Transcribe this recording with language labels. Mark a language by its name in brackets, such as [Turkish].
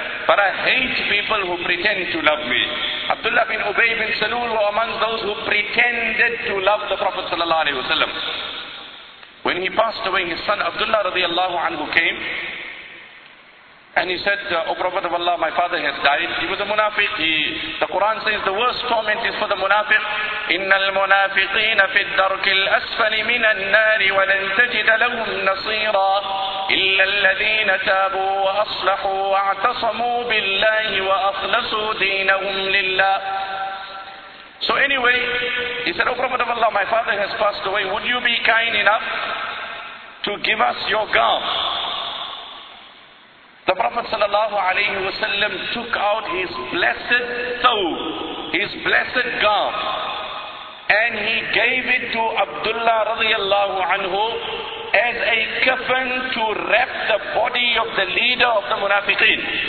[English] But I hate people who pretend to love me. Abdullah bin Ubay bin Salul were amongst those who pretended to love the Prophet sallallahu alaihi wasallam. When he passed away, his son Abdullah radiallahu anhu came. And he said, O Prophet of Allah, my father has died. He was a munafiq. The Quran says the worst torment is for the munafiq. [Arabic] إِنَّ الْمُنَافِقِينَ فِي الدَّرْكِ الْأَسْفَلِ مِنَ النَّارِ وَلَنْ تَجِدَ لَهُمْ نَصِيرًا إِلَّا الَّذِينَ تَابُوا وَأَصْلَحُوا وَاعْتَصَمُوا بِاللَّهِ وَأَخْلَصُوا دِينَهُمْ لِلَّهِ [English] So anyway, he said, O Prophet of Allah, my father has passed away. Would you be kind enough to give us your gown? The Prophet sallallahu alaihi wasallam took out his blessed thawb, his blessed garb, and he gave it to Abdullah radiyallahu anhu as a kafan to wrap the body of the leader of the munafiqeen.